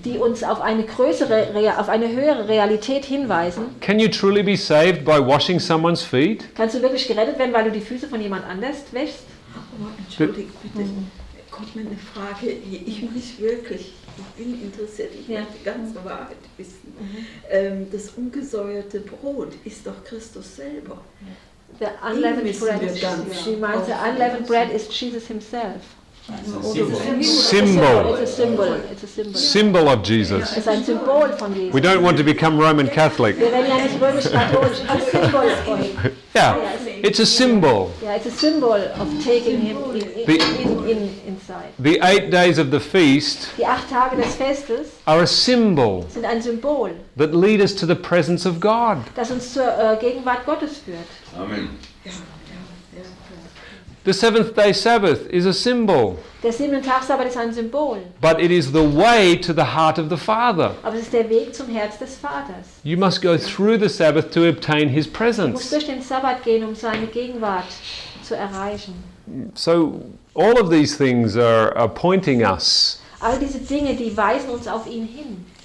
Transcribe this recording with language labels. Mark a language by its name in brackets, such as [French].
[German] Die uns auf eine größere, auf eine höhere Realität hinweisen. [English] Can you truly be saved by washing someone's feet? [German] Kannst du wirklich gerettet werden, weil du die Füße von jemand anders wäschst? Oh, entschuldigt bitte. Kommt mir eine Frage, ich muss wirklich. Ich bin interessiert, ich möchte die ganze Wahrheit wissen. Das ungesäuerte Brot ist doch Christus selber. [English] The unleavened bread is Jesus himself. Symbol. It's a symbol. Symbol of Jesus. [German] Es ist ein Symbol von Jesus. [English] We don't want to become Roman Catholic. [German] Wir werden ja nicht römisch-katholisch, aber Symbol [English] ist. Yeah, it's a symbol. Yeah, it's a symbol of taking him inside. The 8 days of the feast. [German] Die 8 Tage des Festes. [English] Are a symbol. [German] Sind ein Symbol. [English] That lead us to the presence of God. [German] Das uns zur Gegenwart Gottes führt. [English] Amen. The seventh day Sabbath is a symbol. [German] Der siebte Tag Sabbat ist ein Symbol. [English] But it is the way to the heart of the Father. [German] Aber es ist der Weg zum Herz des Vaters. [English] You must go through the Sabbath to obtain His presence. [German] Du musst durch den Sabbat gehen, um seine Gegenwart zu erreichen. [English] So all of these things are pointing us. [German] All diese Dinge, die weisen uns auf ihn hin.